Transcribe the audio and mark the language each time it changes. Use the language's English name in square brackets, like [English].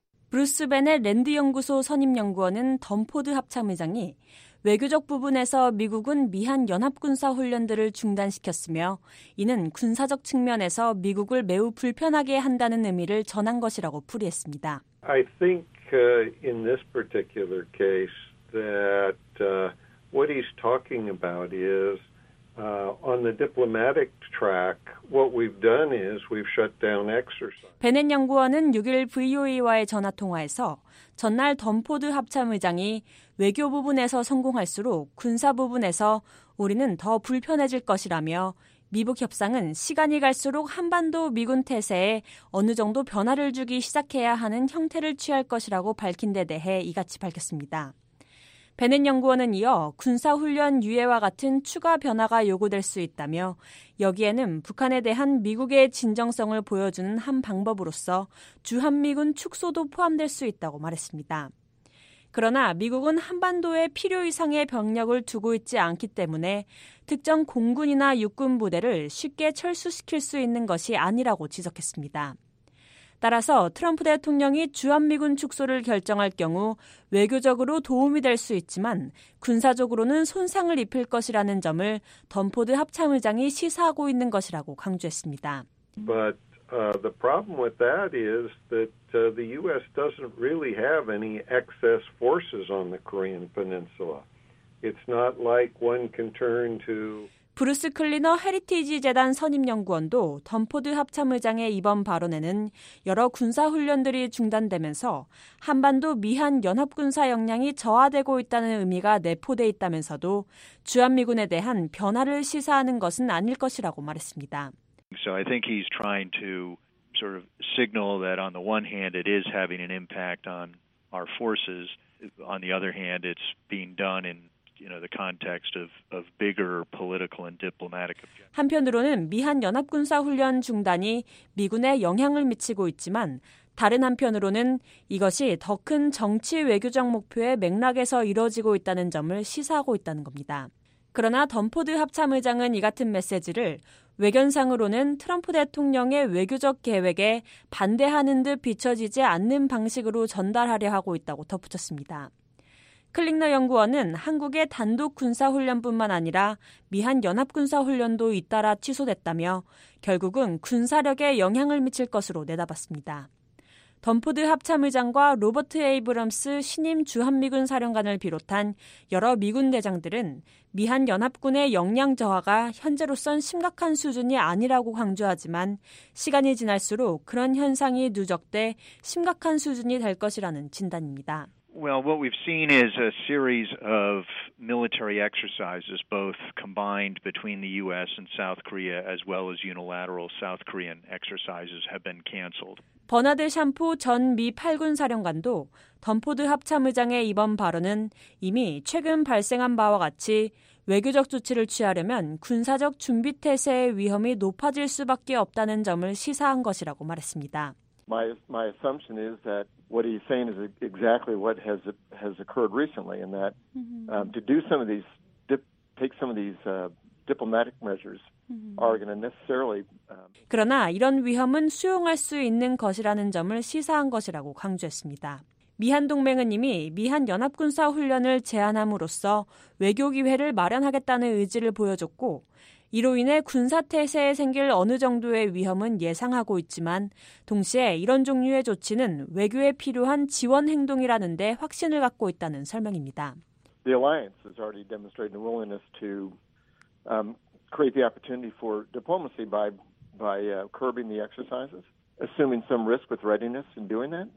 [Korean] 브루스 벤의 랜드 연구소 선임 연구원은 덤포드 합참 의장이 외교적 부분에서 미국은 미한 연합군사 훈련들을 중단시켰으며 이는 군사적 측면에서 미국을 매우 불편하게 한다는 의미를 전한 것이라고 풀이했습니다. [English] I think in this particular case that what he's talking about is on the diplomatic track, what we've done is we've shut down exercise. [Korean] 베넷 연구원은 6일 VOA와의 전화 통화에서 전날 덤포드 합참 의장이 외교 부분에서 성공할수록 군사 부분에서 우리는 더 불편해질 것이라며 미북 협상은 시간이 갈수록 한반도 미군 태세에 어느 정도 변화를 주기 시작해야 하는 형태를 취할 것이라고 밝힌 데 대해 이같이 밝혔습니다. 베넷 연구원은 이어 군사훈련 유예와 같은 추가 변화가 요구될 수 있다며 여기에는 북한에 대한 미국의 진정성을 보여주는 한 방법으로서 주한미군 축소도 포함될 수 있다고 말했습니다. 그러나 미국은 한반도에 필요 이상의 병력을 두고 있지 않기 때문에 특정 공군이나 육군 부대를 쉽게 철수시킬 수 있는 것이 아니라고 지적했습니다. 따라서 트럼프 대통령이 주한미군 축소를 결정할 경우 외교적으로 도움이 될 수 있지만 군사적으로는 손상을 입힐 것이라는 점을 덤포드 합참 의장이 시사하고 있는 것이라고 강조했습니다. [English] But the problem with that is that the U.S. doesn't really have any excess forces on the Korean Peninsula. It's not like one can turn to [Korean] 브루스 클리너 헤리티지 재단 선임 연구원도 덤포드 합참 의장의 이번 발언에는 여러 군사 훈련들이 중단되면서 한반도 미한 연합 군사 역량이 저하되고 있다는 의미가 내포돼 있다면서도 주한 미군에 대한 변화를 시사하는 것은 아닐 것이라고 말했습니다. [English] So I think he's trying to sort of signal that on the one hand it is having an impact on our forces, on the other hand it's being done in you know the context of bigger political and diplomatic objectives. [Korean] 한편으로는 미한 연합 군사 훈련 중단이 미군에 영향을 미치고 있지만 다른 한편으로는 이것이 더 큰 정치 외교적 목표의 맥락에서 이루어지고 있다는 점을 시사하고 있다는 겁니다. 그러나 덤포드 합참 의장은 이 같은 메시지를 외견상으로는 트럼프 대통령의 외교적 계획에 반대하는 듯 비춰지지 않는 방식으로 전달하려 하고 있다고 덧붙였습니다. 클릭너 연구원은 한국의 단독 군사훈련뿐만 아니라 미한 연합군사훈련도 잇따라 취소됐다며 결국은 군사력에 영향을 미칠 것으로 내다봤습니다. 덤포드 합참의장과 로버트 에이브럼스 신임 주한미군 사령관을 비롯한 여러 미군 대장들은 미한 연합군의 역량 저하가 현재로선 심각한 수준이 아니라고 강조하지만 시간이 지날수록 그런 현상이 누적돼 심각한 수준이 될 것이라는 진단입니다. [English] Well, what we've seen is a series of military exercises, both combined between the U.S. and South Korea, as well as unilateral South Korean exercises, have been canceled. [Korean] 버나드 샴푸 전 미 8군 사령관도 덤포드 합참의장의 이번 발언은 이미 최근 발생한 바와 같이 외교적 조치를 취하려면 군사적 준비 태세의 위험이 높아질 수밖에 없다는 점을 시사한 것이라고 말했습니다. [English] My assumption is that what he's saying is exactly what has occurred recently, and that to do some of these, take some of these diplomatic measures are going to necessarily. [Korean] 그러나 이런 위험은 수용할 수 있는 것이라는 점을 시사한 것이라고 강조했습니다. 미한동맹은 이미 미한연합군사훈련을 제안함으로써 외교 기회를 마련하겠다는 의지를 보여줬고 이로 인해 군사태세에 생길 어느 정도의 위험은 예상하고 있지만 동시에 이런 종류의 조치는 외교에 필요한 지원 행동이라는 데 확신을 갖고 있다는 설명입니다. [English] The alliance has already demonstrated a willingness to create the opportunity for diplomacy by curbing the exercises, assuming some risk with readiness in doing that.